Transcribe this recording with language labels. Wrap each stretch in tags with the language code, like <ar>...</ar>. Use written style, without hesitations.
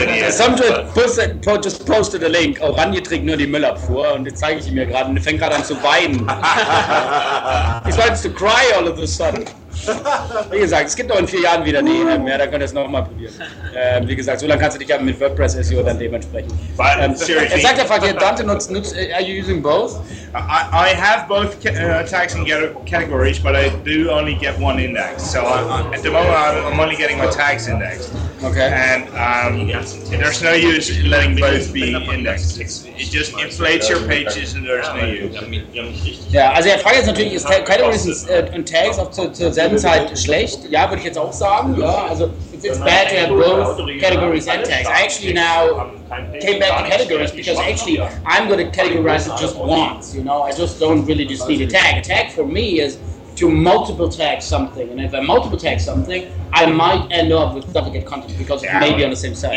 <en>Someone just posted a link.</en> <de>Oranje trägt nur die Müllabfuhr, und jetzt zeige ich ihm ja gerade. Und er fängt gerade an zu weinen.</de> <en>He starts to cry all of a sudden.</en> <de>Wie gesagt, es gibt noch in 4 Jahren wieder eine EM. Ja, da könnt ihr es nochmal probieren. Wie gesagt, so lange kannst du dich ja mit WordPress SEO dann dementsprechend. Er sagt einfach, Dante nutzt.</de> <en>Are you using both? I have both tags and categories, but I do only get one index. So at the moment, I'm only getting my tags indexed. Okay. And there's no use letting both be indexed. It just inflates your pages and there's no use.</en> <de>Ja, also die Frage ist natürlich, ist Categories und Tags auch zur selben Zeit schlecht? Ja, würde ich jetzt auch sagen. Ja, also</de> <en>it's bad to have both categories and tags. I actually now came back to categories because actually I'm going to categorize it just once. You know, I just don't really just need a tag. A tag for me is to multiple tag something, and if I multiple tag something, I might end up with duplicate content because it may be on the same site.</en>